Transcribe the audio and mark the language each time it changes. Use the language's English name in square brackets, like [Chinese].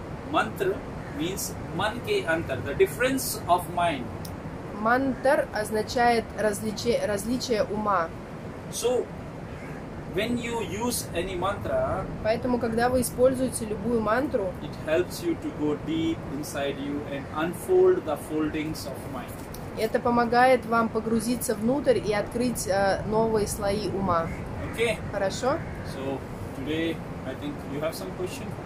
[English] Мантр means [Hindi] ман ке антар, [English] the difference of mind. [Russian] Мантр означает различие ума. [English] So, when you use any mantra, [Russian] поэтому, когда вы используете любую мантру, [English] it helps you to go deep inside you and unfold the foldings of mind. [Russian] Это помогает вам погрузиться внутрь и открыть новые слои ума. [English] Okay. [Russian] Хорошо? [English] So today I think you have some question?